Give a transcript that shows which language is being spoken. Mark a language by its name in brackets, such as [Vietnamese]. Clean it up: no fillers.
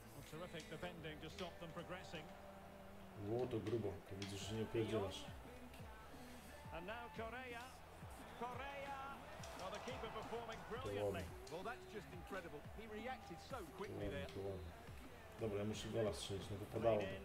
[English] Terrific defending to stop them progressing. [Polish] Wow, to grubo, to widzisz, że nie pierdzielasz. [English] And now Correa. Correa! Now the keeper performing brilliantly. Well, that's just incredible. He reacted so quickly there. [Polish] Dobra, ja muszę gola strzelić, no wypadało.